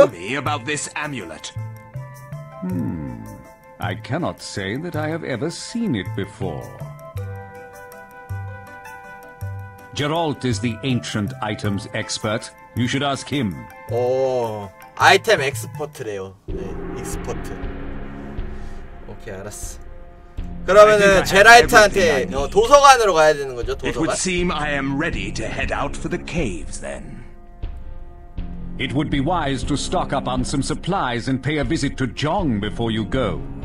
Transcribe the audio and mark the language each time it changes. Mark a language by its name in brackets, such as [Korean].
[English] What can you tell me about this amulet? I cannot say that I have ever seen it before. Geralt is the ancient items expert. You should ask him. [Korean] 오, 아이템 엑스퍼트래요. 네, 엑스퍼트. 오케이, 알았어. 그러면은 제라이트한테 도서관으로 가야 되는 거죠, 도서관. [English] It would seem I am ready to head out for the caves then. It would be wise to stock up on some supplies and pay a visit to Jong before you go.